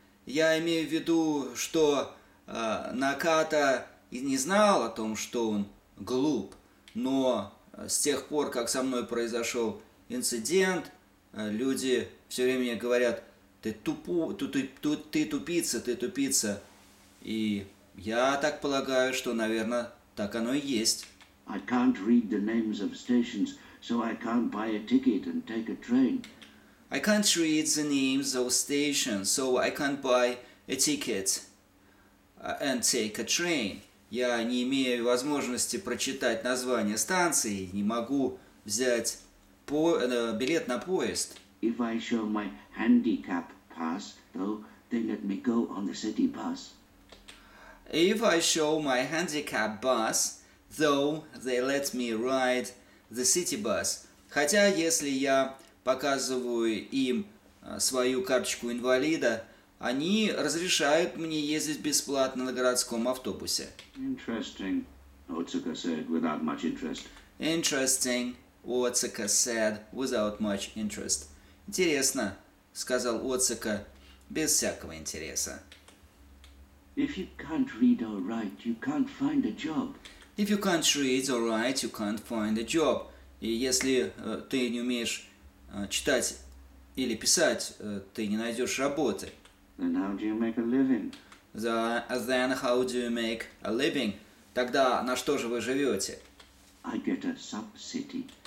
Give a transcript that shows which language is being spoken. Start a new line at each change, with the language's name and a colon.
Russian: Я имею в виду, что Наката и не знал о том, что он глуп. Но с тех пор, как со мной произошел инцидент, люди все время говорят, ты тупица. И я так полагаю, что, наверное, так оно и есть.
English: I can't read the names of stations, so I can't buy a ticket and take a train. I can't read the names of stations, so I can't buy a ticket and take a train.
Russian: Я не имею возможности прочитать название станции, не могу взять билет на поезд.
English: If I show my handicap pass, though, they let me go on the city bus. If I show my handicap pass, though they let me ride the city bus.
Russian: Хотя, если я показываю им свою карточку инвалида, они разрешают мне ездить бесплатно на городском автобусе.
English: Interesting, Otsuka said, without much interest. Interesting, Otsuka said, without much interest.
Russian: Интересно, сказал Отсука, без всякого интереса.
English: If you can't read or write, you can't find a job. If you can't read or write, you can't find a job.
Russian: И если ты не умеешь читать или писать, ты не найдешь работы.
English: Then how do you make a living? Then how do you make a living?
Russian: Тогда на что же вы живете?
English: I get a subsidy.